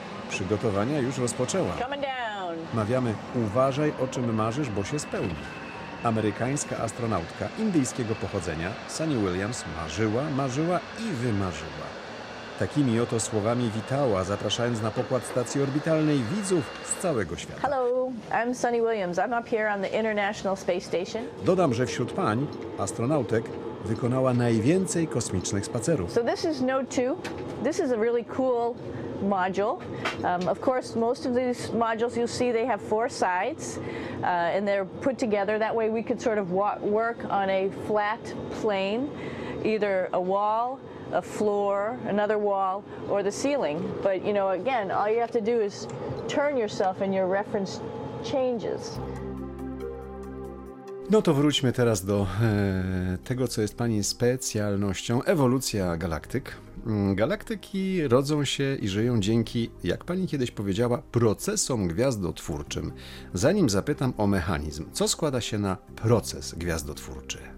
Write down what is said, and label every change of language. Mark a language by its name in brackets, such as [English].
[Polish] Przygotowania już rozpoczęła. Mawiamy, uważaj, o czym marzysz, bo się spełni. Amerykańska astronautka indyjskiego pochodzenia, Sunny Williams, marzyła, marzyła i wymarzyła. Takimi oto słowami witała, zapraszając na pokład stacji orbitalnej widzów z całego świata. [English] Hello, I'm Sunny Williams. I'm up here on the International Space Station. [Polish] Dodam, że wśród pań, astronautek, wykonała najwięcej kosmicznych spacerów. [English] So this is Node 2. This is a really cool module. Of course, most of these modules you'll see they have four sides and they're put together that way we could sort of work on a flat plane, either a wall, a floor, another wall or the ceiling. But you know, again, all you have to do is turn yourself and your reference changes. [Polish] No to wróćmy teraz do tego, co jest Pani specjalnością, ewolucja galaktyk. Galaktyki rodzą się i żyją dzięki, jak Pani kiedyś powiedziała, procesom gwiazdotwórczym. Zanim zapytam o mechanizm, co składa się na proces gwiazdotwórczy?